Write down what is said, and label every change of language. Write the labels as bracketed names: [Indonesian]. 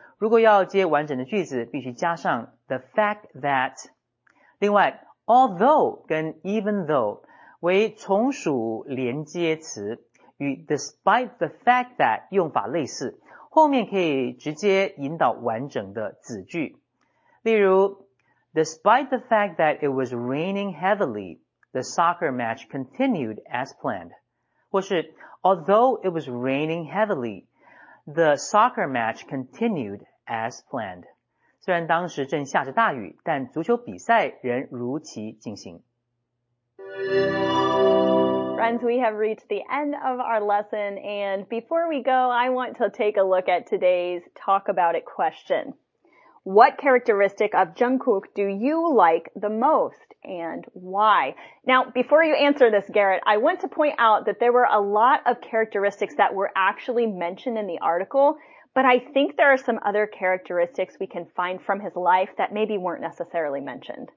[Chinese] 如果要接完整的句子，必须加上 the fact that。另外 ，although 跟 even though 为从属连接词，与 despite the fact that 用法类似，后面可以直接引导完整的子句。例如 [English] ，despite the fact that it was raining heavily, the soccer match continued as planned。 [Chinese] 或是 [English] although it was raining heavily, the soccer match continued as planned. [Chinese] 虽然当时正下着大雨，但足球比赛仍如期进行。 [English] Friends, we have reached the end of our lesson, and before we go, I want to take a look at today's talk about it question. What characteristic of Jungkook do you like the most? And why? Now, before you answer this, Garrett, I want to point out that there were a lot of characteristics that were actually mentioned in the article, but I think there are some other characteristics we can find from his life that maybe weren't necessarily mentioned.